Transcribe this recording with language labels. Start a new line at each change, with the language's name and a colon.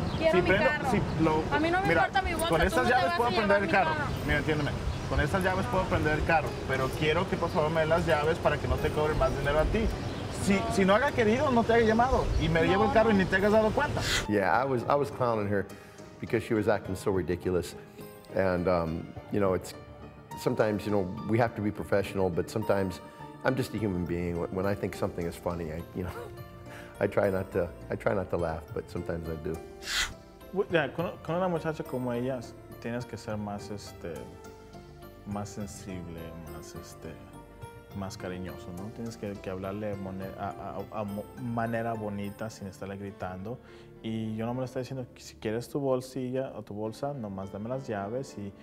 Spanish: A mí no me importa mi bolsa. Con estas llaves puedo prender el carro. Carro. Mira, entiéndeme. Con estas llaves puedo prender el carro. Pero quiero que por favor me den las llaves para que no te cobre más dinero a ti. Si no haga querido, no te haya llamado. Y me llevo el carro y ni te hayas dado cuenta.
English: Yeah, I was clowning her because she was acting so ridiculous. And, you know, it's sometimes, you know, we have to be professional, but sometimes I'm just a human being. When I think something is funny, I try not to laugh, but sometimes I do.
Spanish: Yeah, con una muchacha como ella, tienes que ser más más sensible, más más cariñoso, ¿no? Tienes que hablarle a manera bonita sin estarle gritando. Y yo no me lo estoy diciendo, si quieres tu bolsilla o tu bolsa, nomás dame las llaves.